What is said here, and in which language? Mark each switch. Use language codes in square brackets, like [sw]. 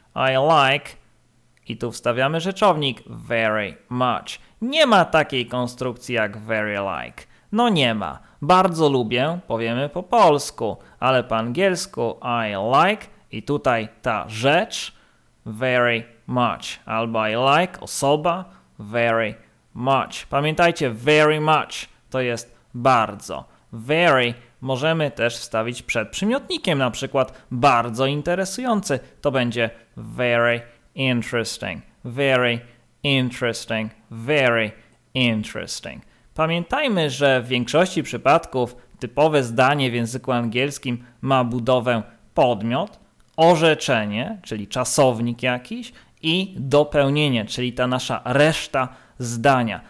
[en] I like, [pl] i tu wstawiamy rzeczownik, [en] very much. [pl] Nie ma takiej konstrukcji jak [en] very like. [pl] No nie ma. Bardzo lubię, powiemy po polsku, ale po angielsku [en] I like, [pl] i tutaj ta rzecz, [en] very much. [pl] Albo [en] I like, [pl] osoba, [en] very much. [pl] Pamiętajcie, [en] very much [pl] to jest bardzo. Very możemy też wstawić przed przymiotnikiem, na przykład bardzo interesujący. To będzie [en] very interesting. Very interesting. Very interesting. [pl] Pamiętajmy, że w większości przypadków typowe zdanie w języku angielskim ma budowę podmiot, orzeczenie, czyli czasownik jakiś, i dopełnienie, czyli ta nasza reszta zdania.